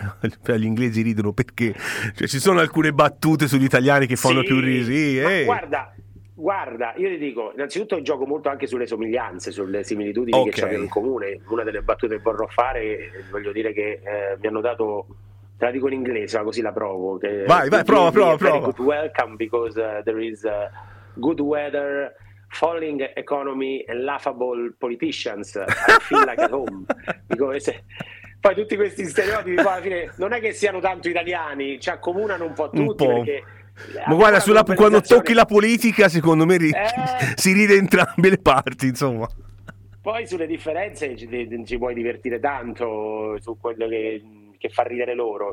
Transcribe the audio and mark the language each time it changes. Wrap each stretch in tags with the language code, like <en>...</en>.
<it>Gli inglesi ridono perché, cioè, ci sono alcune battute sugli italiani che fanno, sì, più ridere. Sì, guarda, io ti dico, innanzitutto gioco molto anche sulle somiglianze, sulle similitudini, okay, che abbiamo in comune. Una delle battute che vorrò fare, voglio dire che mi hanno dato... Te la dico in inglese, ma così la provo. Che vai, prova.</it> <en>Good welcome because there is good weather, falling economy and laughable politicians. I feel like at home.</en> <it>Dico, se... Poi tutti questi stereotipi, poi alla fine, non è che siano tanto italiani, ci accomunano un po' tutti. Ma guarda, sulla, quando tocchi la politica, secondo me si ride entrambe le parti, insomma. Poi sulle differenze ci puoi divertire tanto, su quello che fa ridere loro.</it>